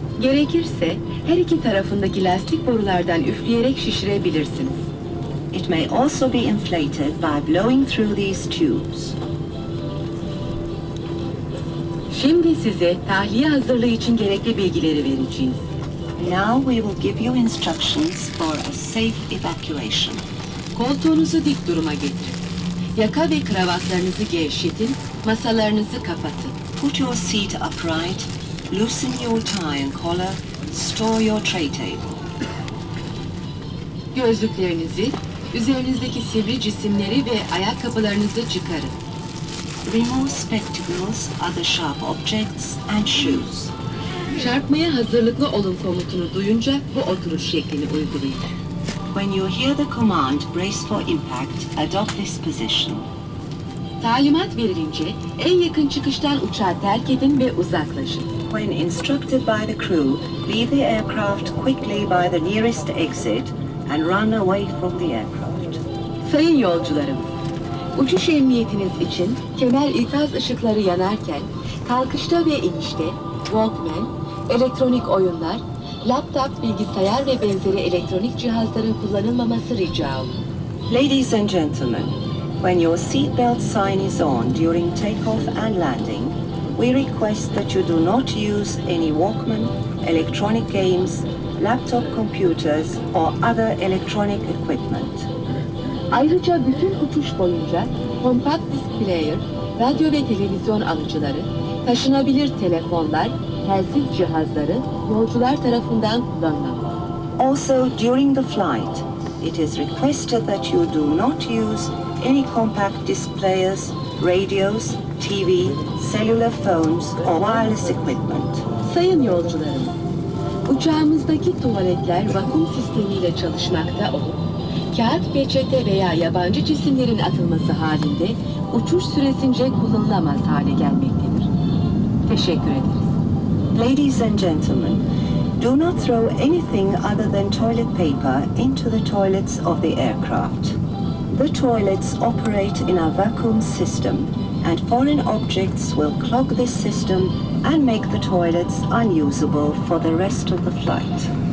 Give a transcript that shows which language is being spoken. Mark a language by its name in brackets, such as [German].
[Turkish] Gerekirse her iki tarafındaki lastik borulardan üfleyerek şişirebilirsiniz. [English] It may also be inflated by blowing through these tubes. [Turkish] Şimdi size tahliye hazırlığı için gerekli bilgileri vereceğiz. [English] Now we will give you instructions for a safe evacuation. [Turkish] Koltuğunuzu dik duruma getirin. Yaka ve kravatlarınızı gevşetin, masalarınızı kapatın. [English] Put your seat upright, loosen your tie and collar, store your tray table. [Turkish] Gözlüklerinizi, üzerinizdeki sivri cisimleri ve ayakkabılarınızı çıkarın. [English] Remove spectacles, other sharp objects and shoes. [Turkish] Çarpmaya hazırlıklı olun komutunu duyunca bu oturuş şeklini uygulayın. [English] When you hear the command, brace for impact, adopt this position. [Turkish] Talimat verilince en yakın çıkıştan uçağı terk edin ve uzaklaşın. [English] When instructed by the crew, leave the aircraft quickly by the nearest exit and run away from the aircraft. [Turkish] Sayın yolcularım, uçuş emniyetiniz için kemer ikaz ışıkları yanarken, kalkışta ve inişte, Walkman, elektronik oyunlar, laptop, bilgisayar ve benzeri elektronik cihazların kullanılmaması rica olun. [English] Ladies and gentlemen, when your seatbelt sign is on during takeoff and landing, we request that you do not use any Walkman, electronic games, laptop computers or other electronic equipment. [Turkish] Ayrıca bütün uçuş boyunca compact disc player, radyo ve televizyon alıcıları, taşınabilir telefonlar, telsiz cihazları yolcular tarafından kullanılamaz. [English] Also during the flight, it is requested that you do not use any compact disc players, radios, TV, cellular phones or wireless equipment. [Turkish] Sayın yolcularım, uçağımızdaki tuvaletler vakum sistemiyle çalışmakta olup, kağıt, peçete veya yabancı cisimlerin atılması halinde uçuş süresince kullanılamaz hale gelmektedir. Teşekkür ederiz. [English] Ladies and gentlemen, do not throw anything other than toilet paper into the toilets of the aircraft. The toilets operate in a vacuum system and foreign objects will clog this system and make the toilets unusable for the rest of the flight.